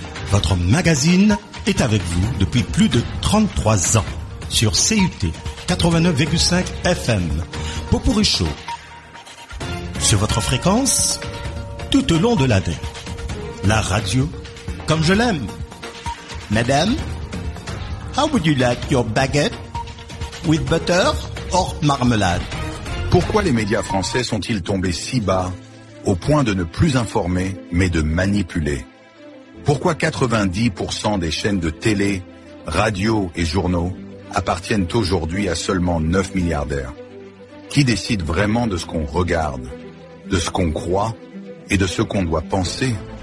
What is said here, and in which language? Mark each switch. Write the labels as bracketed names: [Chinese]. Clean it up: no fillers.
[French] Votre magazine est avec vous depuis plus de 33 ans. Sur CUT 89,5 FM, Potpourri Show, sur votre fréquence, tout au long de l'année, la radio, comme je l'aime. [English] Madame, how would you like your baguette, with butter or marmelade? [French] Pourquoi les médias français sont-ils tombés si bas, au point de ne plus informer, mais de manipuler? Pourquoi 90% des chaînes de télé, radio et journaux appartiennent aujourd'hui à seulement 9 milliardaires. Qui décide vraiment de ce qu'on regarde, de ce qu'on croit et de ce qu'on doit penser?